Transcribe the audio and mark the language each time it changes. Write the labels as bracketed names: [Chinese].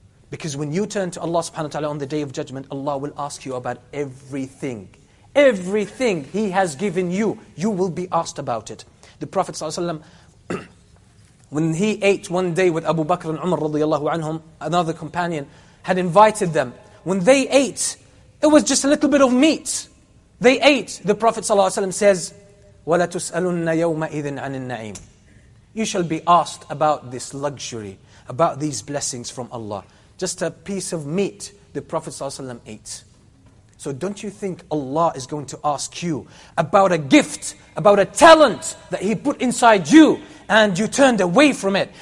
[English] Because when you turn to Allah subhanahu wa ta'ala on the Day of Judgment, Allah will ask you about everything. Everything He has given you, you will be asked about it. The Prophet ﷺ, when he ate one day with Abu Bakr and Umar radiallahu anhum, another companion, had invited them. When they ate, it was just a little bit of meat. They ate. The Prophet ﷺ says, [Arabic] وَلَتُسْأَلُنَّ يَوْمَئِذٍ عَنِ النَّعِيمِ. [English] You shall be asked about this luxury, about these blessings from Allah. Just a piece of meat the Prophet ﷺ ate. So don't you think Allah is going to ask you about a gift, about a talent that He put inside you and you turned away from it.